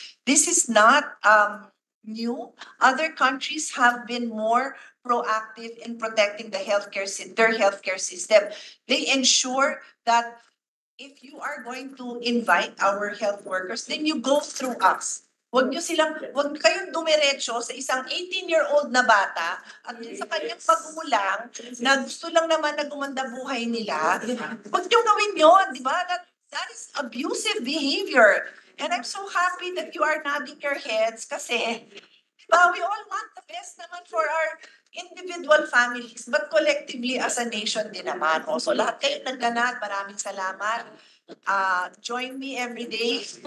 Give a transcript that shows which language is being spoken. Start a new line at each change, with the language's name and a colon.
English: This is not new. Other countries have been more proactive in protecting the healthcare their healthcare system. They ensure that if you are going to invite our health workers, then you go through us.
Filipino: Huwag kayong dumiretso sa isang 18-year-old na bata at sa kanyang pagulang na gusto lang naman na gumanda buhay nila. Huwag niyong gawin yun, di ba?
English: That is abusive behavior. And I'm so happy that you are nodding your heads
Filipino: kasi diba,
English: we all want the best naman for our individual families but collectively as a nation
Filipino: din naman. O, so lahat kayo nagganat, maraming salamat.
English: Join me every day.